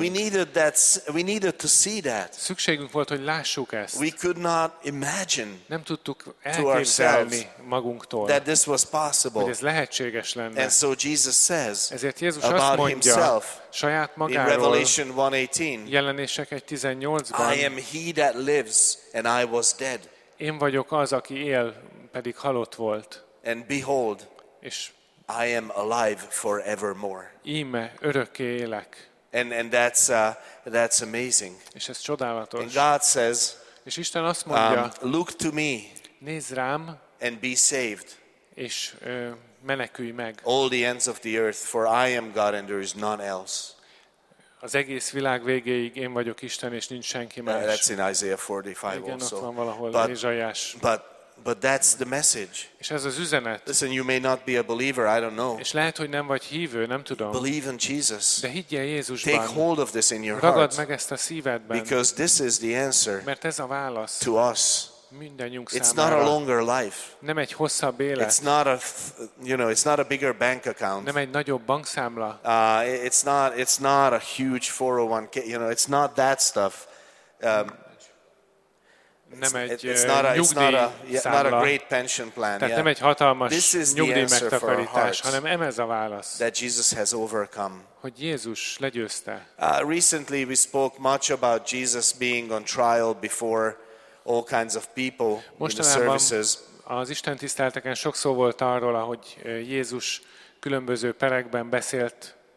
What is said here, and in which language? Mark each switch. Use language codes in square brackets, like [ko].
[en] We needed to see that. [hu] Szükségünk volt, hogy lássuk ezt. [en] We could not imagine. [hu] Nem tudtuk elképzelni magunktól. [en] That this was possible. [hu] Hogy ez lehetséges lenne. [en] And so Jesus says. [hu] Ezért Jézus azt mondja saját magáról, [en] in Revelation 1:18, [hu] Jelenések 1:18-ban, [en] I am he that lives and I was dead. [hu] Én vagyok az, aki él, pedig halott volt. [en] And behold, [hu] és [en] I am alive forevermore. [hu] Íme, örökké élek. [en] And that's amazing. [hu] És ez csodálatos. [en] And God says, [hu] és Isten azt mondja, [en] look to me, [hu] nézz rám, [en] and be saved. [hu] És menekülj meg. [en] All the ends of the earth, for I am God and there is none else. [hu] Az egész világ végéig én vagyok Isten és nincs senki más. [en] That's in Isaiah 45 [hu] igen, [en] also. [hu] Ott van valahol Ézsaiás. [en] But that's the message. [hu] És ez az üzenet. [en] Listen, you may not be a believer, I don't know. [hu] És lehet, hogy nem vagy hívő, nem tudom. [en] Believe in Jesus. [hu] De higgyél Jézusban. [en] Take hold of this in your [hu] ragadd [en] heart. [hu] Meg ezt a szívedben. [en] Because this is the answer. [hu] Mert ez a válasz. [en] To us. [hu] Mindennyiunk [en] it's [hu] számára. [en] Not a longer life. [hu] Nem egy hosszabb élet. [en] It's not a, you know, it's not a bigger bank account. [hu] Nem egy nagyobb bankszámla. [en] It's not a huge 401k, you know, it's not that stuff. [hu] nem egy nyugdíjszámla, [en] yeah. [hu] Tehát nem egy hatalmas nyugdíjmegtakarítás, hanem em ez a válasz, [en] that Jesus has overcome. [hu] Hogy Jézus legyőzte. [en] Recently we spoke much about Jesus being on trial before all kinds of people in the services. [hu] Az Isten tiszteleteken sok szó volt arról, ahogy Jézus különböző perekben beszélt.